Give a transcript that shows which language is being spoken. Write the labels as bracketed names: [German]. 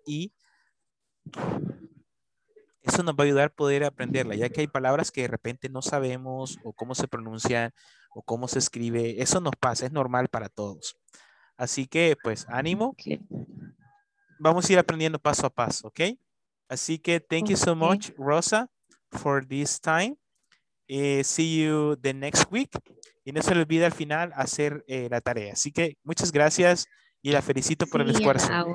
[Spanish] Y eso nos va a ayudar a poder aprenderla, ya que hay palabras que de repente no sabemos o cómo se pronuncian o cómo se escribe. Eso nos pasa, es normal para todos. Así que, pues, ánimo. Okay. Vamos a ir aprendiendo paso a paso, ¿ok? Así que, [English] thank you so much, Rosa, for this time. See you the next week. [Spanish] Y no se le olvide al final hacer la tarea. Así que, muchas gracias y la felicito por el esfuerzo.